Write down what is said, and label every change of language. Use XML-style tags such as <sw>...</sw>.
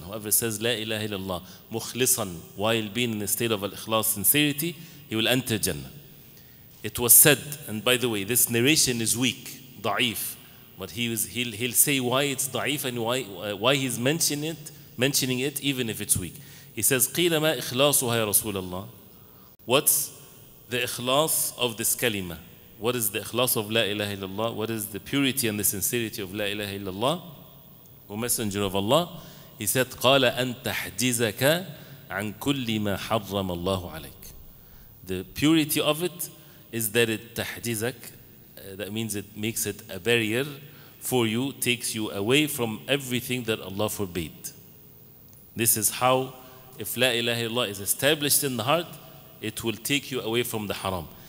<en>Whoever says La ilaha illallah mukhlisan while being in a state of al-ikhlas, sincerity, he will enter Jannah. It was said, and by the way, this narration is weak, da'if, but he'll say why it's da'if and why he's mentioning it even if it's weak. He says,</en> <ar>قِيلَ مَا إِخْلَاصُهَا يَا رَسُولَ اللَّهِ.</ar> <en>What's the ikhlas of this kalima? What is the ikhlas of La ilaha illallah? What is the purity and the sincerity of La ilaha illallah? O Messenger of Allah, he said,</en> <ar>قَالَ أَن تَحْجِزَكَ عَن كُلِّ مَا حَرَّمَ اللَّهُ عَلَيْكَ.</ar> <en>The purity of it is that it تَحْجِزَكَ, that means it makes it a barrier for you, takes you away from everything that Allah forbade. This is how, if La ilaha illallah is established in the heart, it will take you away from the haram.</en>